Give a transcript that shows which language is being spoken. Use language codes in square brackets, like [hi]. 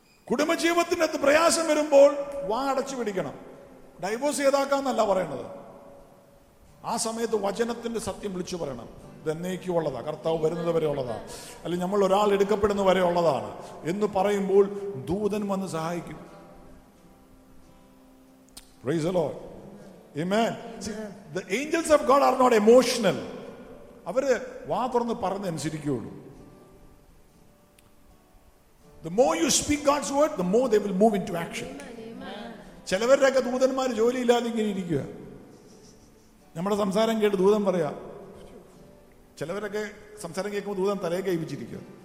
[ml] കുടുംബജീവിതത്തിന്റെ അകത്ത് പ്രയാസം വരുമ്പോൾ വാ അടച്ചു പിടിക്കണം. ഡൈവോഴ്സ് ചെയ്താക്കാന്നല്ല പറയണത്, ആ സമയത്ത് വചനത്തിന്റെ സത്യം വിളിച്ചു പറയണം. ഉള്ളതാ കർത്താവ് വരുന്നത് വരെ ഉള്ളതാ, അല്ലെങ്കിൽ നമ്മൾ ഒരാൾ എടുക്കപ്പെടുന്നത് വരെ ഉള്ളതാണ് എന്ന് പറയുമ്പോൾ ദൂതൻ വന്ന് സഹായിക്കും. [en] Praise the Lord. Amen. See, the angels of God are not emotional. [ml] അവരെ വാ തുറന്ന് പറഞ്ഞ് അനുസരിക്കുകയുള്ളൂ. [en] The more you speak God's word, the more they will move into action. [ml] ചിലവരുടെയൊക്കെ ദൂതന്മാർ ജോലിയില്ലാതെ ഇങ്ങനെ ഇരിക്കുക, നമ്മുടെ സംസാരം കേട്ട് ദൂതൻ പറയാ. ചിലവരൊക്കെ സംസാരം കേൾക്കുമ്പോൾ ദൂതൻ തലയെ കൈവിച്ചിരിക്കുക.